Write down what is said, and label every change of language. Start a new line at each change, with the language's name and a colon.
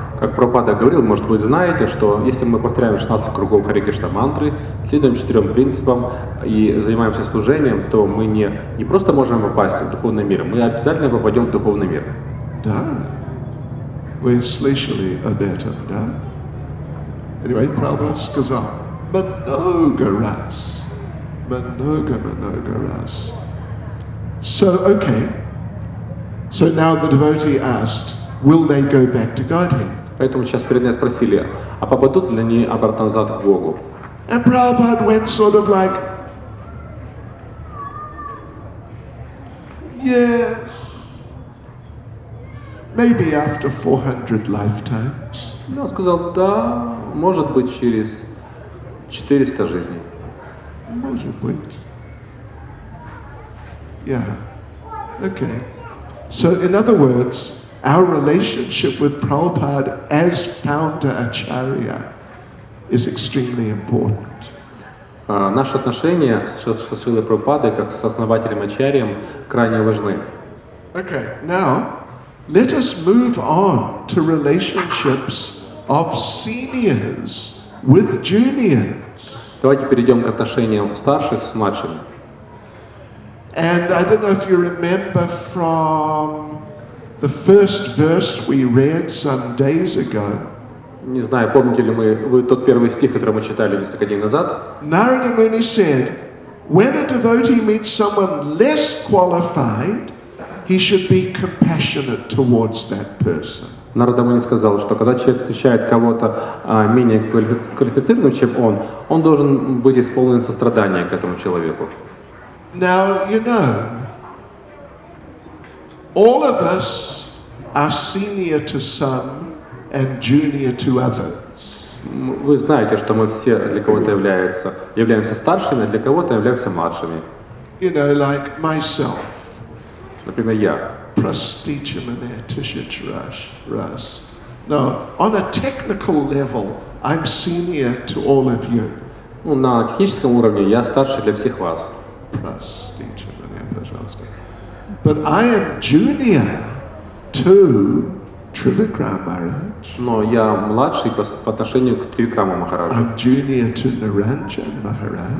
Russian: Как Прабхупада говорил, может вы знаете, что если мы повторяем 16 кругов Hare Krishna мантры, следуем четырем принципам и занимаемся служением, то мы не просто можем попасть в духовный мир, мы обязательно попадем в духовный мир. Да. Вы слышали об этом, да?
English: Anyway, Prabhupada
Russian: сказал,
English: Manoga ras. So, okay. So now the devotee asked, will they go back to Godhead?
Russian: Поэтому сейчас преданные спросили, а попадут ли они обратно назад к Богу?
English: And Prabhupada went sort of like, yes. Maybe after 400 lifetimes.
Russian: Он сказал, да, может быть через 400 жизней. Может быть.
English: Yeah. Okay. So, in other words, our relationship with Prabhupada as founder acharya is extremely important.
Russian: Наши отношения с Шрилой Прабхупадой как с основателем ачарьям крайне важны.
English: Okay, now let us move on to relationships of seniors with juniors.
Russian: Давайте перейдем к отношениям старших с младшими.
English: And I don't know if you remember from the first verse we read some days ago.
Russian: Не знаю, помните ли вы тот первый стих, который мы читали несколько дней назад.
English: Narada Muni said, when a devotee meets someone less qualified, he should be compassionate towards that person.
Russian: Narada Muni сказал, что когда человек встречает кого-то менее квалифицированного, чем он должен быть исполнен сострадания к этому человеку.
English: Now, you know, all of us are senior to some and junior to others.
Russian: Вы знаете, что мы все для кого-то являемся старшими, для кого-то являемся младшими.
English: You know, like myself.
Russian: Например, я. Prastichamane Tishitrash Ras.
English: Now, on a technical level, I'm senior to all of you.
Russian: Ну, на техническом уровне я старше для всех вас.
English: Prastichamane,
Russian: пожалуйста.
English: But I am junior to Trivikrama Maharaj.
Russian: Но я младший по отношению к Трикраме Махараджу.
English: I'm junior to Niranjan Maharaj.